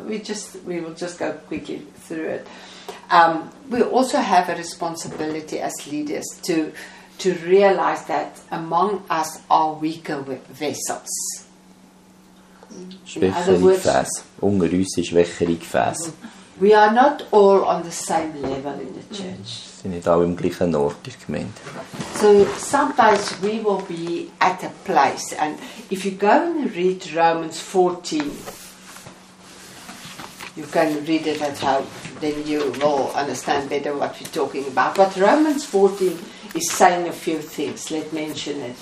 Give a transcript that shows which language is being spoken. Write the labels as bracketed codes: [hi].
[en] We will just go quickly through it. We also have a responsibility as leaders to realize that among us are weaker vessels. [de] Schwächere Gefäße. [en] We are not all on the same level in the church. [de] Sind nicht alle im gleichen Ort, ist gemeint. [en] So sometimes we will be at a place, and if you go and read Romans 14, you can read it at home, then you will understand better what we're talking about. But Romans 14 is saying a few things. Let's mention it.